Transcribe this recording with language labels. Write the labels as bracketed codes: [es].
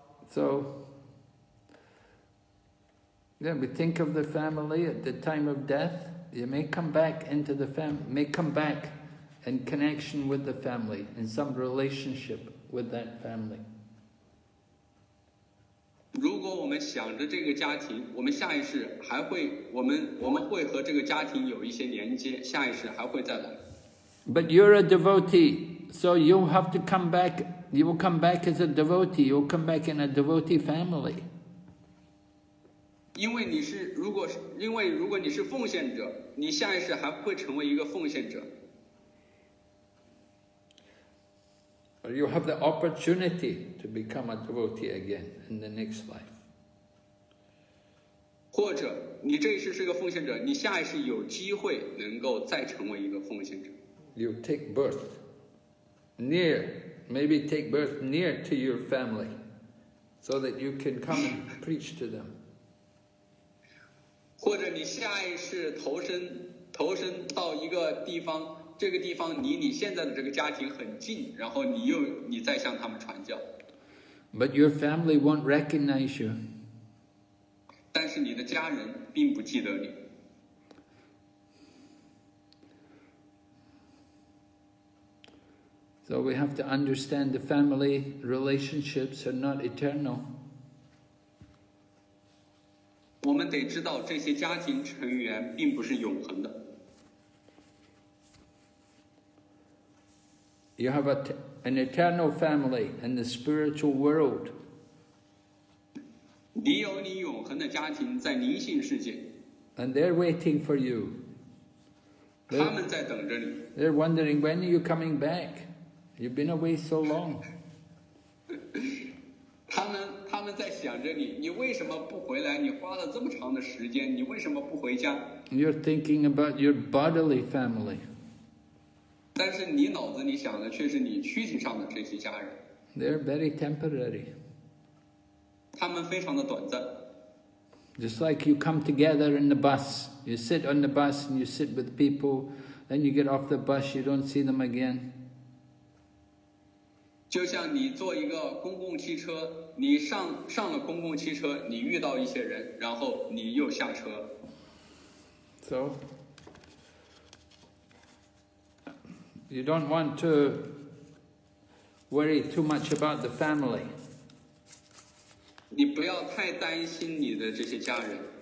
[en] So, yeah, we think of the family at the time of death. It may come back into the family, may come back in connection with the family, in some relationship with that family. [zh] 如果我们想着这个家庭，我们下一世还会，我们会和这个家庭有一些连接，下一世还会再来。 [en] But you're a devotee, so you have to come back. You will come back as a devotee. You will come back in a devotee family. [zh] 因为你是，如果是，因为如果你是奉献者，你下一世还会成为一个奉献者。 [en] You have the opportunity to become a devotee again in the next life. [zh] 或者你这一世是个奉献者，你下一世有机会能够再成为一个奉献者。 [en] You take birth near, maybe take birth near to your family, so that you can come and preach to them. [zh] 或者你下一世投身到一个地方。这个地方离你现在的这个家庭很近，然后你再向他们传教。 [en] But your family won't recognize you. [zh] 但是你的家人并不记得你。 [en] So we have to understand the family relationships are not eternal. [zh] 我们得知道这些家庭成员并不是永恒的。 [en] You have an eternal family in the spiritual world. [zh] 你有你永恒的家庭在灵性世界。 [en] And they're waiting for you. [zh] 他们在等着你。 [en] They're wondering, when are you coming back? You've been away so long. [zh] 他们在想着你，你为什么不回来？你花了这么长的时间，你为什么不回家？ [en] You're thinking about your bodily family. [zh] 但是你脑子里想的却是你躯体上的这些家人。 [en] They're very temporary. [zh] 他们非常的短暂。 [en] Just like you come together in the bus, you sit on the bus and you sit with people, then you get off the bus, you don't see them again. [zh] 就像你坐一个公共汽车，你上了公共汽车，你遇到一些人，然后你又下车。 [en] So. You don't want to worry too much about the family. [zh] 你不要太担心你的这些家人。